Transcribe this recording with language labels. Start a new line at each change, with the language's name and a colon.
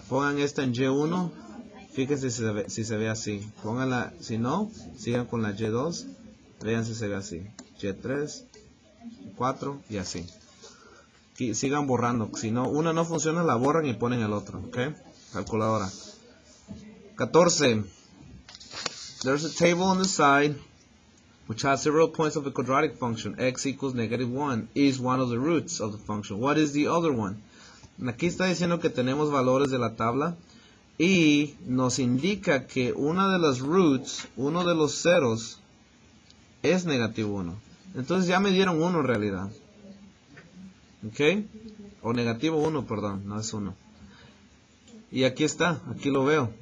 Spanish: Pongan esta en G1. Fíjense si se ve así. Pónganla. Si no, sigan con la G2. Vean si se ve así. G3. 4. Y así. Y sigan borrando. Si no, una no funciona, la borran y ponen el otro. ¿Ok? Calculadora. 14.
English: There's a table on the side which has several points of a quadratic function. X equals negative 1 is one of the roots of the function. What is the other one?
Spanish: Aquí está diciendo que tenemos valores de la tabla y nos indica que una de las roots, uno de los ceros, es negativo 1. Entonces ya me dieron 1 en realidad. ¿Ok? O negativo 1, perdón, no es 1. Y aquí está, aquí lo veo.